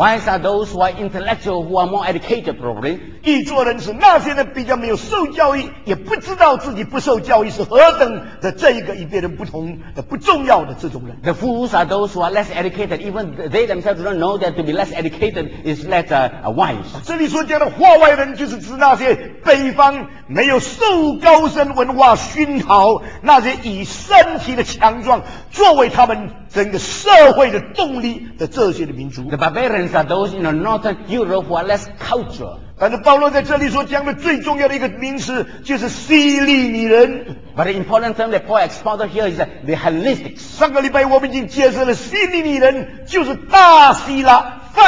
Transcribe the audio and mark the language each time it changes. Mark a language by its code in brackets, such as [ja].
[en] Wise are those who are intellectual, who are more educated probably. [zh] 愚拙人是那些比较没有受教育、也不知道自己不受教育是何等的这一个与别人 不同的不重要的这种人。 [en] The fools are those who are less educated, even they themselves don't know that to be less educated is less wise. [zh] 这里所讲的话外人就是指那些北方没有受高深文化熏陶，那些以身体的强壮作为他们 整个社会的动力的这些的民族。 [en] The barbarians are those in the northern Europe who are less cultured. [zh] 但是保罗在这里所讲的最重要的一个名词就是希利尼人。 [en] But the important term that Paul exposed here is the Hellenistics. [zh] 上个礼拜我们已经介绍了希利尼人就是大希腊。